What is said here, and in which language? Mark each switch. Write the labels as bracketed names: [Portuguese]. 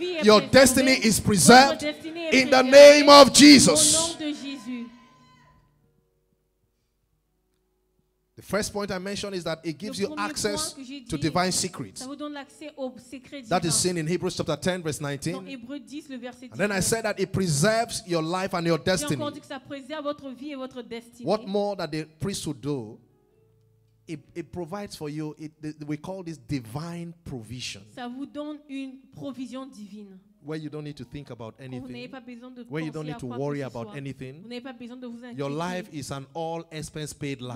[English] Your destiny is preserved in the name of Jesus. The first point I mentioned is that it gives you access to divine secrets. [French] Ça vous donne l'accès aux secrets. [English] That is seen in Hebrews chapter 10, verse 19. [French] Dans Hébreux 10, le verset 19. [English] And then I said that it preserves your life and your destiny. [French] J'ai encore dit que ça préserve votre vie et votre destinée. [English] What more that the priest would do, it provides for you, we call this divine provision. [French] Ça vous donne une provision divine. [English] Where you don't need to think about anything. [French] Vous n'avez pas besoin de penser [English] where you don't need to worry about anything. [French] Vous n'avez pas besoin de vous inquiéter. [English] Your life is an all expense paid life.